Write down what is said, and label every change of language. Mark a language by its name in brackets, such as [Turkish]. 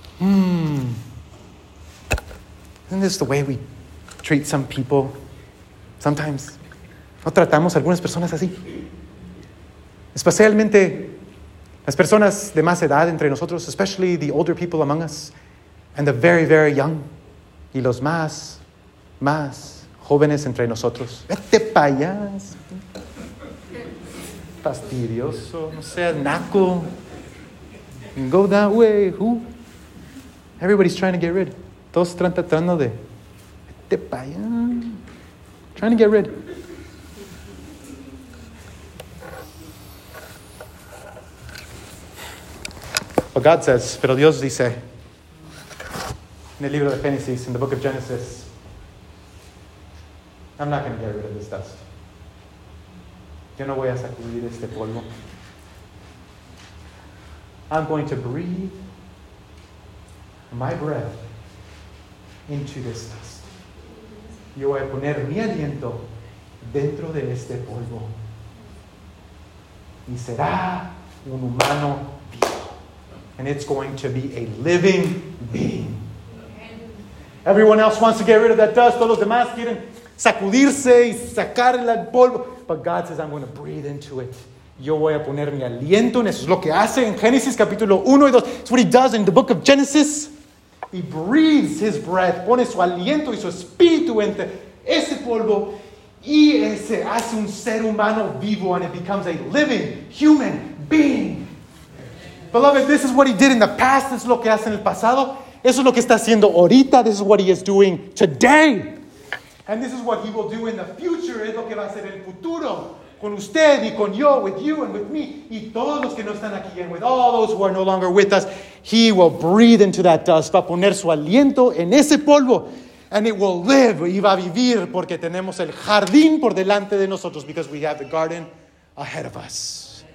[English] Isn't this the way we treat some people? Sometimes. [Spanish] No tratamos algunas personas así. Especialmente las personas de más edad entre nosotros. [English] Especially the older people among us. And the very, very young. [Spanish] Y los más, más jóvenes entre nosotros. Vete pa' allá. Fastidioso. No seas naco. [English] Go that way. Who? Everybody's trying to get rid. [Spanish] Todos están tratando de... Vete pa' allá. [English] Trying to get rid. But God says, [Spanish] pero Dios dice... [English] In the [Spanish] libro de [English] Genesis, in the book of Genesis, I'm not going to get rid of this dust. [Spanish] Yo no voy a sacudir este polvo. [English] I'm going to breathe my breath into this dust. [Spanish] Yo voy a poner mi aliento dentro de este polvo. Y será un humano vivo. [English] And it's going to be a living being. Everyone else wants to get rid of that dust. [Spanish] Todos los demás quieren sacudirse y sacar el polvo. [English] But God says, I'm going to breathe into it. [Spanish] Yo voy a poner mi aliento en eso. Es lo que hace en Génesis capítulo 1 y 2. [English] It's what he does in the book of Genesis. He breathes his breath. [Spanish] Pone su aliento y su espíritu entre ese polvo. Y ese hace un ser humano vivo. [English] And it becomes a living human being. Beloved, this is what he did in the past. [Spanish] Es lo que hace en el pasado. Eso es lo que está haciendo ahorita. [English] This is what he is doing today. And this is what he will do in the future. [Spanish] Es lo que va a hacer el futuro. Con usted y con yo, [English] with you and with me. [Spanish] Y todos los que no están aquí. [English] And with all those who are no longer with us. He will breathe into that dust. [Spanish] Va a poner su aliento en ese polvo. [English] And it will live. [Spanish] Y va a vivir porque tenemos el jardín por delante de nosotros. [English] Because we have the garden ahead of us.